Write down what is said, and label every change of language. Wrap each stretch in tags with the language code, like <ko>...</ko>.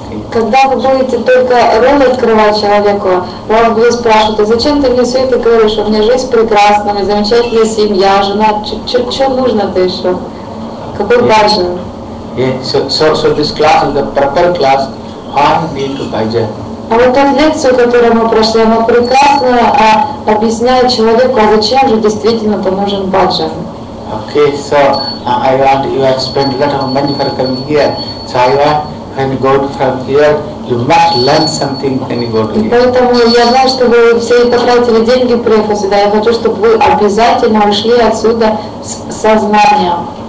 <ru>Когда вы будете только рот открывать человеку, он будет спрашивать, а зачем ты мне все это говоришь, у меня жизнь прекрасна, у меня замечательная семья, жена, что нужно ты еще? Какой баджан?</ru> <en>So this class is the proper class, I need to bhajan.</en> <ru>А вот эта лекция, которую мы прошли, она прекрасно объясняет человеку, а зачем же действительно поможет баджан.</ru> <en>Okay, so I want you to spend a lot of money for coming here. So I want, when you go from here, you must learn something when you go to here.</en> <ru>И поэтому я знаю, что вы все потратили деньги, приехав сюда. Я хочу, чтобы вы обязательно ушли отсюда с сознанием.</ru>